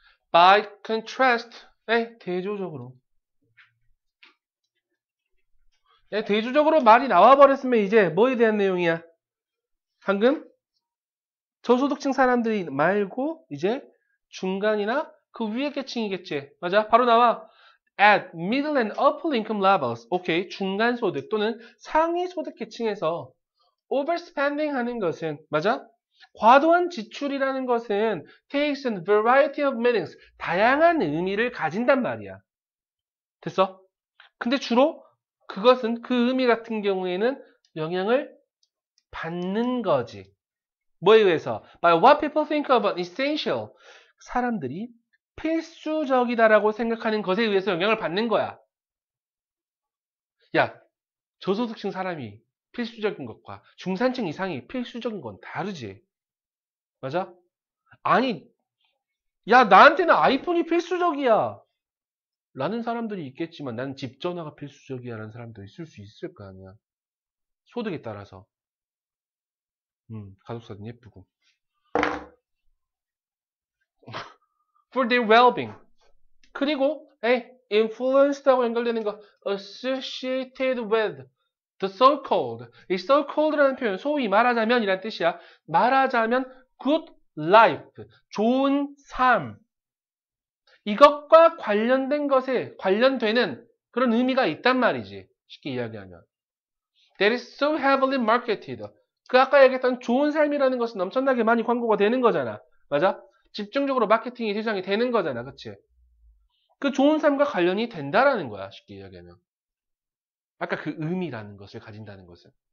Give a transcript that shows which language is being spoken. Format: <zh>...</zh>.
<en>By contrast.</en> <ko>대조적으로. 대조적으로 말이 나와버렸으면 이제 뭐에 대한 내용이야? 방금 저소득층 사람들이 말고 이제 중간이나 그 위에 계층이겠지. 맞아? 바로 나와.</ko> <en>At middle and upper income levels.</en> <ko>오케이. 중간 소득 또는 상위 소득 계층에서 overspending 하는 것은, 맞아? 과도한 지출이라는 것은</ko> <en>takes a variety of meanings.</en> <ko>다양한 의미를 가진단 말이야. 됐어? 근데 주로 그것은 그 의미 같은 경우에는 영향을 받는 거지. 뭐에 의해서?</ko> <en>By what people think about essential.</en> <ko>사람들이 필수적이다라고 생각하는 것에 의해서 영향을 받는 거야. 야, 저소득층 사람이 필수적인 것과 중산층 이상이 필수적인 건 다르지. 맞아? 아니, 야, 나한테는 아이폰이 필수적이야. 라는 사람들이 있겠지만 나는 집전화가 필수적이야 라는 사람도 있을 수 있을 거 아니야. 소득에 따라서. 가족사진 예쁘고.</ko> <en>For their well-being.</en> <ko>그리고 influenced하고 연결되는 거</ko> <en>associated with the so-called.</en> <ko>이 so-called라는 표현 소위 말하자면 이란 뜻이야. 말하자면</ko> <en>good life.</en> <ko>좋은 삶. 이것과 관련된 것에 관련되는 그런 의미가 있단 말이지. 쉽게 이야기하면.</ko> <en>That is so heavily marketed.</en> <ko>그 아까 얘기했던 좋은 삶이라는 것은 엄청나게 많이 광고가 되는 거잖아. 맞아? 집중적으로 마케팅이 세상이 되는 거잖아. 그치? 그 좋은 삶과 관련이 된다라는 거야. 쉽게 이야기하면. 아까 그 의미라는 것을 가진다는 것은.</ko>